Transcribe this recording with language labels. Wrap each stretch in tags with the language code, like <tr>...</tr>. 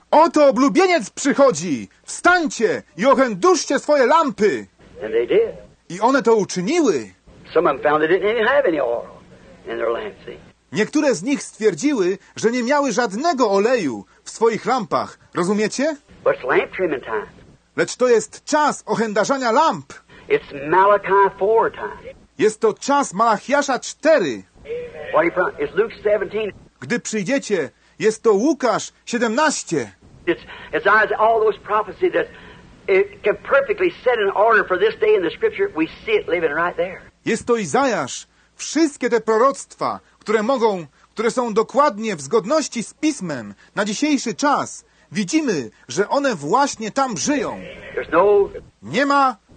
<pl>Oto oblubieniec przychodzi. Wstańcie i ochęduszcie swoje lampy.</pl> <en>And they did.</en> <pl>I one to uczyniły.</pl> <en>Some of them found they didn't even have any oil in their lamps.</en> <pl>Niektóre z nich stwierdziły, że nie miały żadnego oleju w swoich lampach. Rozumiecie?</pl> <en>But it's lamp trimming time.</en> <pl>Lecz to jest czas ochędarzania lamp.</pl> <en>It's Malachi 4 time.</en> <pl>Jest to czas Malachiasza 4.</pl> <en>It's Luke 17.</en> <pl>Gdy przyjdziecie, jest to Łukasz 17.</pl> <en>It's all those prophecies that it can perfectly set an order for this day in the scripture. We see it living right there.</en> <pl>Jest to Izajasz. Wszystkie te proroctwa, które są dokładnie w zgodności z Pismem na dzisiejszy czas, widzimy, że one właśnie tam żyją. Nie ma...</pl>